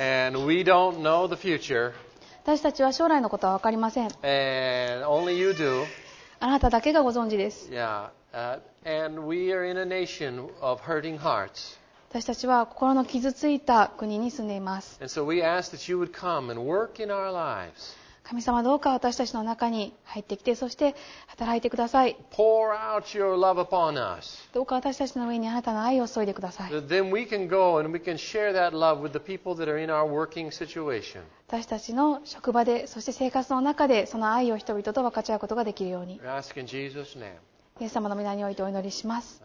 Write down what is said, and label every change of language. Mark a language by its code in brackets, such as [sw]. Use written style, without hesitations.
[en] And we don't know the future. [ja] 私たちは将来のことは分かりません。 [en] And only you do. [ja] あなただけがご存知です。 [en] Yeah. And we are in a nation of hurting hearts. [ja] 私たちは心の傷ついた国に住んでいます。 [en] And so we ask that you would come and work in our lives. [ja] 神様どうか私たちの中に入ってきて、そして働いてください。 [en] Pour out your love upon us. [ja] どうか私たちの上にあなたの愛を注いでください。 [en] Then we can go and we can share that love with the people that are in our working situation. [ja] 私たちの職場で、そして生活の中でその愛を人々と分かち合うことができるように。 [en] We ask in Jesus' name. [ja] イエス様の御名においてお祈りします。